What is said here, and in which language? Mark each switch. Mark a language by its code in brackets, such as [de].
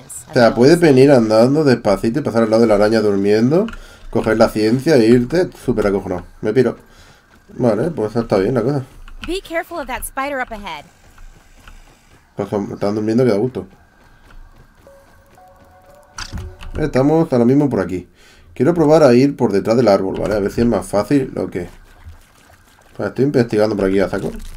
[es] O sea, puedes venir andando despacito y pasar al lado de la araña durmiendo, coger la ciencia e irte súper acojonado. Me piro. Vale, pues está bien la cosa. [en] Be careful of that spider up ahead. [es] Pues están durmiendo, que da gusto. Estamos ahora mismo por aquí. Quiero probar a ir por detrás del árbol, ¿vale? A ver si es más fácil o qué. Pues estoy investigando por aquí a saco.